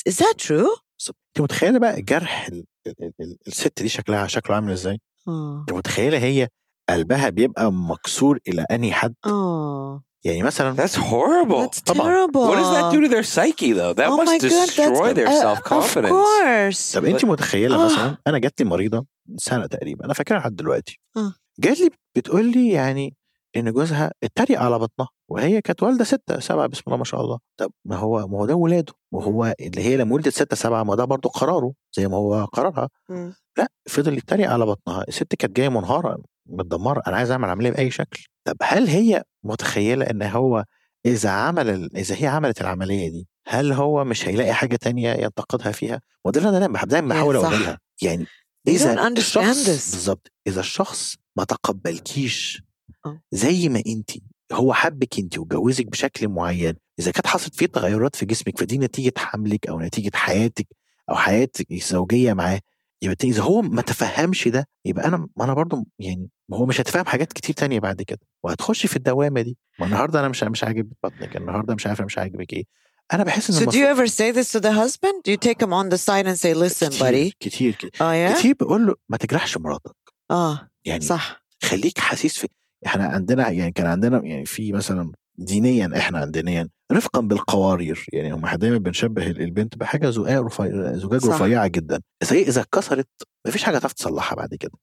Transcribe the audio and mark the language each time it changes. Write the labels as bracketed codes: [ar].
[en] Is that true? [ar] انت متخيلة بقى جرح الست دي شكلها شكله عامل ازاي؟ انت متخيلة هي قلبها بيبقى مكسور الى اني حد؟ يعني مثلا [en] That's horrible. That's terrible. What does that do to their psyche though? That must destroy their self-confidence. Of course. [ar] طب انت متخيلة مثلا انا جات لي مريضة سنة تقريبا, انا فاكرها لحد دلوقتي. جات لي بتقول لي يعني ان جوزها اتريق على بطنها وهي كانت والده 6-7 بسم الله ما شاء الله. طب ما هو ده ولاده, وهو اللي هي لما ولدت 6-7 ما ده برضو قراره زي ما هو قرارها. لا, فضل يتريق على بطنها. الست كانت جايه منهاره متدمره, انا عايز اعمل عمليه باي شكل. طب هل هي متخيله ان هو اذا هي عملت العمليه دي هل هو مش هيلاقي حاجه تانية ينتقدها فيها؟ وده انا دايما بحاول اقول لها يعني اذا الشخص ما تقبلكيش زي ما انت, هو حبك انت وجوزك بشكل معين, اذا كانت حصلت فيه تغيرات في جسمك فدي نتيجه حملك او نتيجه حياتك او حياتك الزوجيه معاه, يبقى اذا هو ما تفهمش ده يبقى انا برضو يعني هو مش هتفهم حاجات كتير تانية بعد كده وهتخش في الدوامه دي. ما النهارده انا مش عاجب بطنك, النهارده مش عارف مش عاجبك ايه. انا بحس ان [en] so do you ever say this to the husband? Do you take him on the side and say listen buddy? [ar] كتير [en] oh, yeah? [ar] كتير بقول له ما تجرحش مراتك. يعني صح, خليك حاسس. في احنا عندنا يعني كان عندنا يعني في مثلا دينيا احنا عندنا يعني رفقا بالقوارير, يعني هم دايما بنشبه البنت بحاجه زجاج رفيعه جدا, اذا اتكسرت مفيش حاجه تعرف تصلحها بعد كده.